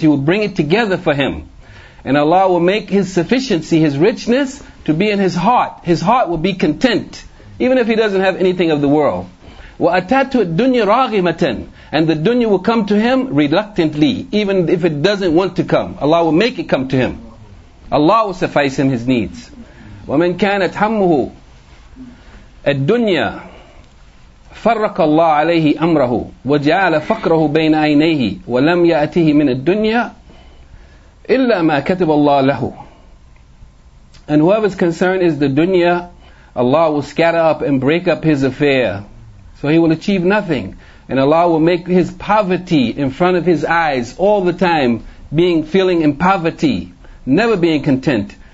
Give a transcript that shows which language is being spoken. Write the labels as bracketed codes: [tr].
[en] He will bring it together for him. And Allah will make his sufficiency, his richness, to be in his heart. His heart will be content, even if he doesn't have anything of the world. [ar] وَأَتَاتُ الدُّنْيَا رَاغِمَةً. [en] And the dunya will come to him reluctantly, even if it doesn't want to come. Allah will make it come to him. Allah will suffice him his needs. [ar] وَمَنْ كَانَتْ حَمُّهُ الدُّنْيَا فرق الله عليه أمره وجعل فقره بين عينيه ولم يأته من الدنيا إلا ما كتب الله له. [en] And whoever's concern is the dunya, Allah will scatter up and break up his affair, so he will achieve nothing. And Allah will make his poverty in front of his eyes all the time, feeling in poverty, never being content.